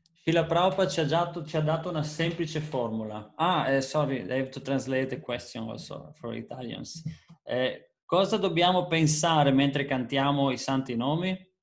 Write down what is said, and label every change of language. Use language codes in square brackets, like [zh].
[it] Srila Prabhupada ci ha dato una semplice formula. [en] Sorry, I have to translate the question also for Italians. [it] Cosa dobbiamo pensare mentre cantiamo i santi nomi?